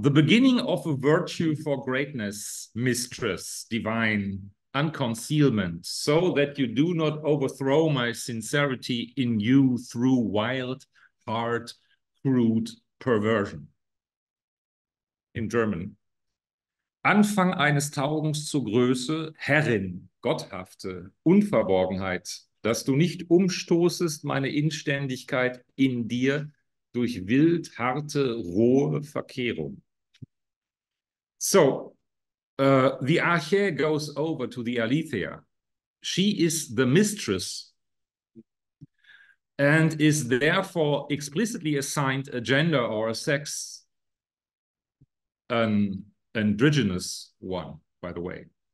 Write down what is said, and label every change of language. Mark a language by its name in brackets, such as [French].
[English] The beginning of a virtue for greatness, mistress, divine, unconcealment, so that you do not overthrow my sincerity in you through wild, hard, crude perversion. In German. [German] Anfang eines Taugens zur Größe, Herrin, Gotthafte, Unverborgenheit, dass du nicht umstoßest meine Inständigkeit in dir durch wild, harte, rohe Verkehrung. [English] So, the Arche goes over to the Aletheia. She is the mistress and is therefore explicitly assigned a gender or a sex, an androgynous one, by the way.